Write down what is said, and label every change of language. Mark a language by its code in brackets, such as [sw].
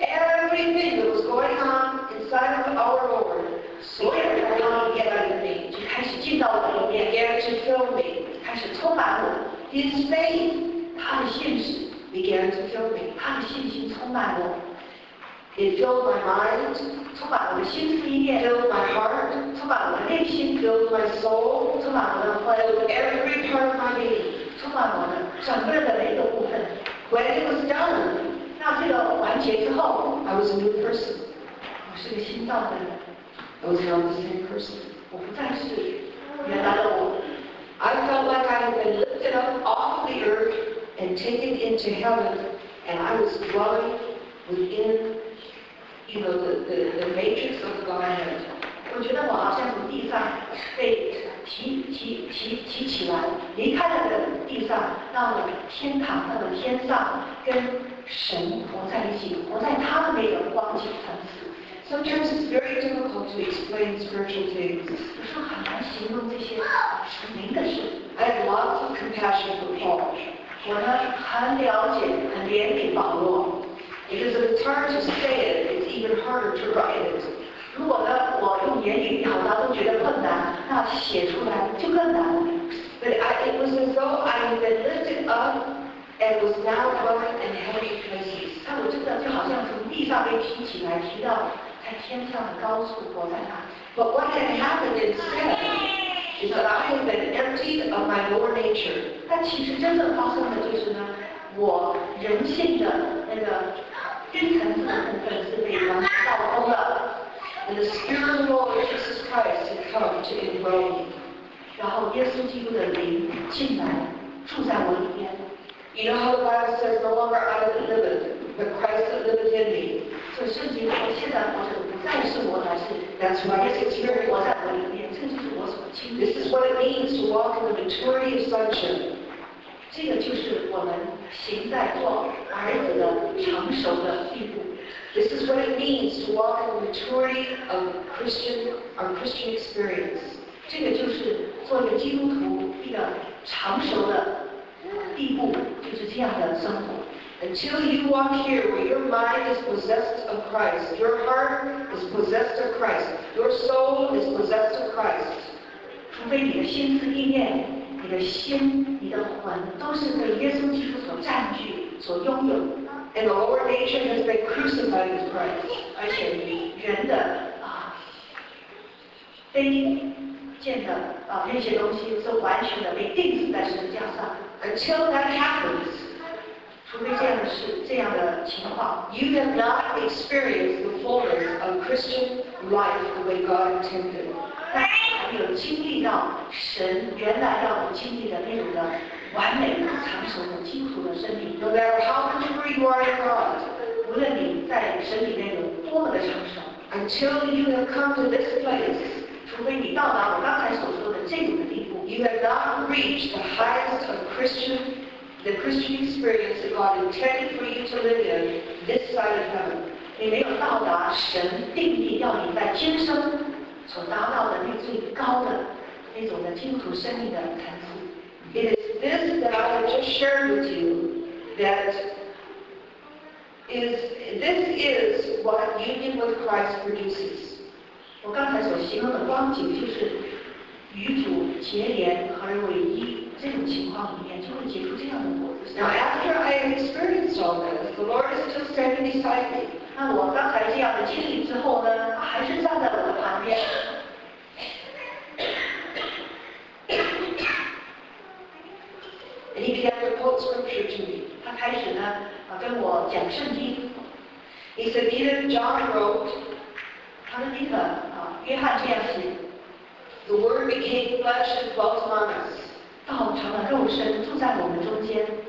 [en] Everything that was going on inside of our Lord, [zh] 所有的东西都进到里面，就开始进到我里面 [en] ，began to fill me, [zh] 开始充满我。 [en] His faith, [zh] 他的信心 [en] began to fill me, [zh] 他的信心充满我。 [en] It filled my mind, [zh] 充满我的心思意念。 [en] Filled my heart, [zh] 充满我的内心。 [en] Filled my soul, [zh] 充满我的魂。 [en] Filled every part of my being, [zh] 充满我的整个的每一个部分。 [en] When it was done. [zh] 那这个完结之后 [en] ，I was a new person. [zh] 我是个新造的人。 [en] I was not the same person. [zh] 我不再是原来的我。 [en] I felt like I had been lifted up off the earth and taken into heaven, and I was dwelling within, you know, the matrix of Godhead. [zh] 我觉得我好像从地上被提起来，离开了这个地上，到了天堂，到了天上跟。神活在一起，活在他的那个光景层次。 [en] Sometimes it's very difficult to explain spiritual things. [zh] 有时候很难形容这些属灵的事。 [en] I have lots of compassion for Paul. [zh] 我呢很了解，很怜悯保罗。 [en] Because it's hard to say it, it's even harder to write it. [zh] 如果呢我用言语表达都觉得困难，那写出来就更难。 [en] But it was as though I had been lifted up. And was now dwelling in heavenly places. [zh] 但我真的就好像从地上被提起来，提到在天上的高处，活在那。 [en] But what had happened instead is that I had been emptied of my lower nature. [zh] 但其实真正发生的就是呢，我人性的那个深层次的部分是被完全倒空了。 [en] And the Spirit of the Lord Jesus Christ had come to indwell me. [zh] 然后耶稣基督的灵进来，住在我里面。 [en] You know how the Bible says, "No longer I that liveth, but Christ that liveth in me." [zh] So, 甚至我现在活着不再是我，乃是 [en] That's why it's here. [zh] 活在我里面，这就是我所经历。 [en] This is what it means to walk in the maturity of sonship. [zh] 这个就是我们行在做儿子的成熟的地步。 [en] This is what it means to walk in the maturity of Christian experience. [zh] 这个就是做一个基督徒一个成熟的。地步就是这样的生活。 [en] Until you walk here, where your mind is possessed of Christ, your heart is possessed of Christ, your soul is possessed of Christ. [zh] 除非你的心思意念、你的心、你的魂都是被耶稣基督所占所拥有。 [en] And our nation has been crucified with Christ. [zh] 而且人的非见的那些东西是完全的被钉死在十字架上。 [en] Until that happens, [zh] 除非这样的事，这样的情况 [en] ，you have not experienced the fullness of Christian life the way God intended. [zh] 但还没有经历到神原来要我经历的那种的完美的、成熟的、基础的生命。 [en] No matter how mature you are in God, [zh] 无论你在神里面有多么的成熟 [en] ，until you have come to this place. [zh] 除非你到达我刚才所说的这种的地步 [en] ，You have not reached the highest of Christian, the Christian experience that God intended for you to live in this side of heaven. [zh] 你没有到达神定义要你在今生所达到的那最高的那种的基督徒生命的层次。 [en] It is this that I want to share with you that is this is what union with Christ produces. [zh] 我刚才所形容的光景就是与主结连合而为一这种情况里面就会结出这样的果子。 [en] Now after I have experienced all this, the Lord is still standing beside me. [zh] 那我刚才这样的经历之后呢，还是站在我的旁边。 [en] And he began to quote scripture to me. [zh] 他开始呢，跟我讲圣经。 [en] He said, "Even John wrote." [zh] 他的那个约翰这样写 [en] ，The Word became flesh and dwelt among us， [zh] 道成了肉身住在我们中间